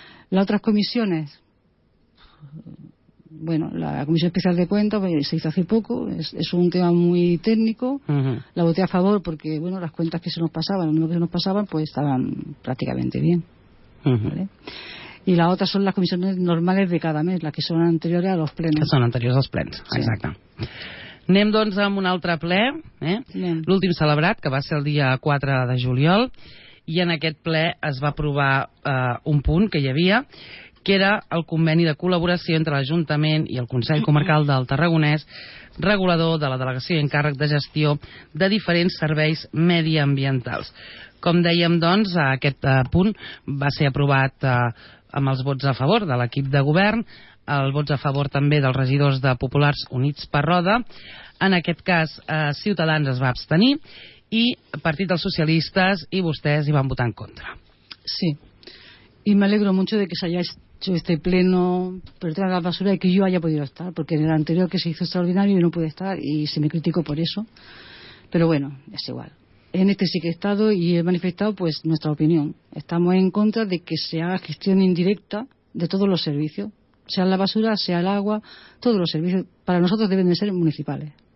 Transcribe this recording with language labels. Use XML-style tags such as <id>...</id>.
<es>Las otras comisiones, bueno, la Comisión Especial de Cuentas, pues, se hizo hace poco, es un tema muy técnico. La voté a favor porque, bueno, las cuentas que se nos pasaban, lo único que se nos pasaban, pues estaban prácticamente bien. ¿Vale? Y las otras son las comisiones normales de cada mes, las que son anteriores a los plenos. Que son anteriores</es> <ca>als plens, sí. Exacte. Anem, doncs, amb un altre ple, l'últim celebrat, que va ser el dia 4 de juliol, i en aquest ple es va aprovar un punt que hi havia, que era el conveni de col·laboració entre l'Ajuntament i el Consell Comarcal del Tarragonès, regulador de la delegació i encàrrec de gestió de diferents serveis mediambientals. Com dèiem, doncs, aquest punt va ser aprovat amb els vots a favor de l'equip de govern, els vots a favor també dels regidors de Populars Units per Roda, en aquest cas Ciutadans es va abstenir, i Partit dels Socialistes i vostès hi van votar en contra.</ca> <es>Sí, y me alegro mucho de que se haya hecho este pleno por el tema de la basura y que yo haya podido estar, porque en el anterior que se hizo extraordinario yo no pude estar y se me criticó por eso, pero bueno, es igual. En este sí que he estado y he manifestado pues nuestra opinión. Estamos en contra de que se haga gestión indirecta de todos los servicios, sea la basura, sea el agua, todos los servicios para nosotros deben de ser municipales.</es>